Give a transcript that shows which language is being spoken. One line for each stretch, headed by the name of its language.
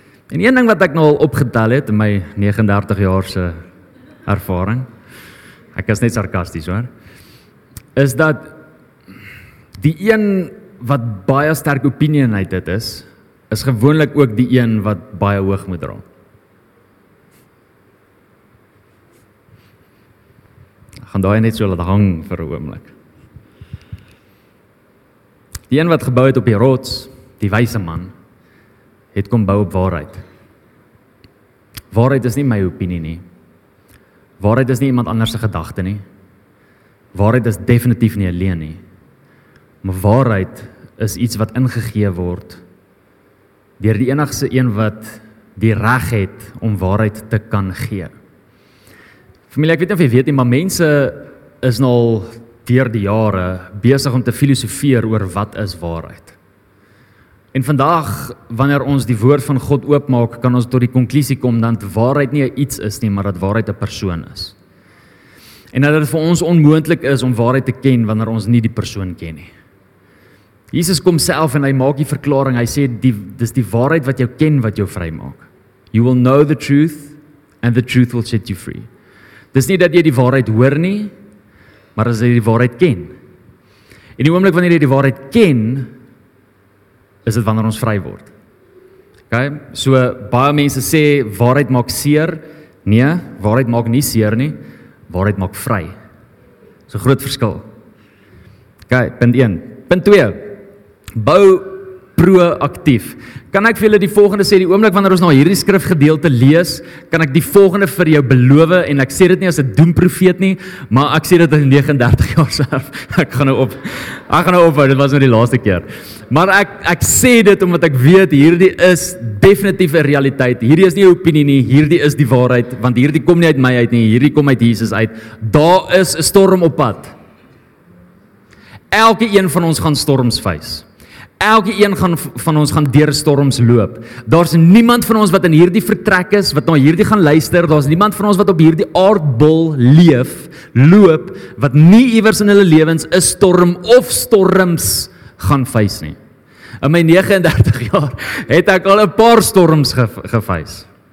Afrikaans: En een ding wat ek nou al opgetel het in my 39 jaar se ervaring, ek is net sarkasties hoor, is dat die een wat baie sterk opinionated dit is gewoonlik ook die een wat baie hoog moet dra. Gaan daai net so laat hang vir 'n oomblik. Die een wat gebou het op die rots, die wyse man, het kom bou op waarheid. Waarheid is nie my opinie nie. Waarheid is nie iemand anders se gedagte nie. Waarheid is definitief nie 'n leen nie. Maar waarheid is iets wat ingegee word deur die enigste een wat die reg het om waarheid te kan gee. Familie, ek weet nie of jy weet nie, maar mense is nou al deur die jare besig om te filosofeer oor wat is waarheid. En vandag, wanneer ons die woord van God oopmaak, kan ons tot die konklusie kom dat waarheid nie iets is nie, maar dat waarheid 'n persoon is. En dat het vir ons onmoontlik is om waarheid te ken wanneer ons nie die persoon ken nie. Jesus kom self en hy maak die verklaring, hy sê, dis die waarheid wat jou ken wat jou vry maak.
English: You will know the truth and the truth will set you free.
Afrikaans: Dis nie dat jy die waarheid hoor nie, maar as jy die waarheid ken. En die oomblik wanneer jy die waarheid ken, is dit wanneer ons vry word. Okay? So, baie mense sê, waarheid maak seer. Nee, waarheid maak nie seer nie. Waarheid maak vry. Dis 'n groot verskil. Okay, punt 1. Punt 2. Bou proaktief. Kan ek vir julle die volgende sê, die oomblik wanneer ons nou hierdie skrifgedeelte lees, kan ek die volgende vir jou beloof, en ek sê dit nie as 'n doemprofeet nie, maar ek sê dit in 39 jaar self. Ek gaan nou ophou, dit was nou die laaste keer. Maar ek sê dit omdat ek weet, hierdie is definitief 'n realiteit. Hierdie is nie 'n opinie nie, hierdie is die waarheid, want hierdie kom nie uit my uit nie, hierdie kom uit Jesus uit. Daar is 'n storm op pad. Elke een van ons gaan storms face. Elke een van ons gaan deur storms loop. Daar's niemand van ons wat in hierdie vertrek is, wat na hierdie gaan luister. Daar's niemand van ons wat op hierdie aardbol loop, wat nie iewers in hulle lewens 'n storm of storms gaan face nie. In my 39 jaar het ek al 'n paar storms geface.